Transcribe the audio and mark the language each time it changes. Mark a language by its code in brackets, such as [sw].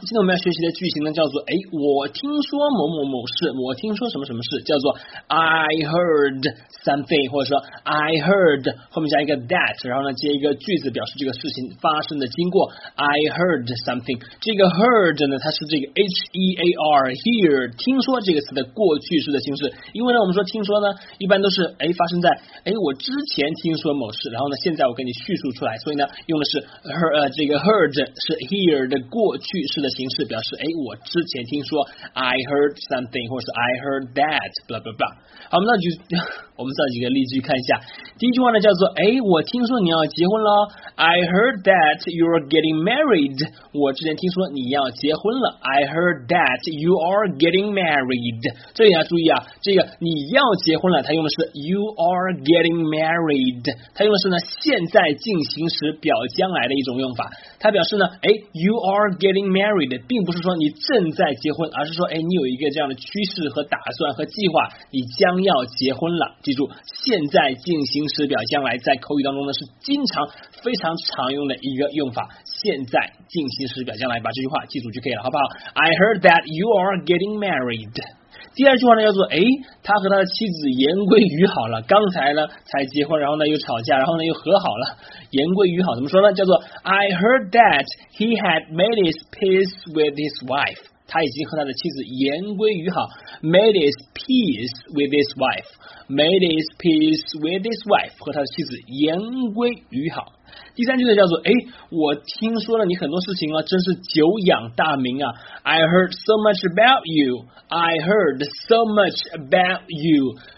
[zh] 今天我们要学习的句型呢，叫做哎，我听说某某某事，我听说什么什么事，叫做 I heard something，或者说 I heard 后面加一个 that， 然后呢接一个句子，表示这个事情发生的经过。 I heard something，这个 heard 呢，它是这个 H E A R hear 听说这个词的过去式的形式。因为呢，我们说听说呢，一般都是哎发生在哎我之前听说某事，然后呢现在我跟你叙述出来，所以呢用的是。这个 heard 是 hear 的过去式的形式，表示哎，我之前听说 I heard something 或是 I heard that blah blah blah。好，我们造几个例句看一下。第一句话呢叫做哎，我听说你要结婚了。 [en] I heard that you're getting married。 [zh] 我之前听说你要结婚了。 [en] I heard that you are getting married。 [zh] 这里要注意啊，这个你要结婚了，它用的是 you are getting married，它用的是呢现在进行时表将来的一种用法，它表示呢哎 you are getting married 并不是说你正在结婚，而是说哎你有一个这样的趋势和打算和计划，你将要结婚了。记住，现在进行时表将来在口语当中呢是经常非常常用的一个用法，现在进行时表将来，把这句话记住就可以了，好不好？ [en] I heard that you are getting married。 [zh] 第二句话呢叫做哎，他和他的妻子言归于好了，刚才呢才结婚，然后呢又吵架，然后呢又和好了，言归于好怎么说呢，叫做 I heard that he had made his peace with his wife，他已经和他的妻子言归于好， made his peace with his wife， made his peace with his wife， 和他的妻子言归于好。第三句呢叫做哎，我听说了你很多事情啊，真是久仰大名啊。 [en] I heard so much about you. I heard so much about you.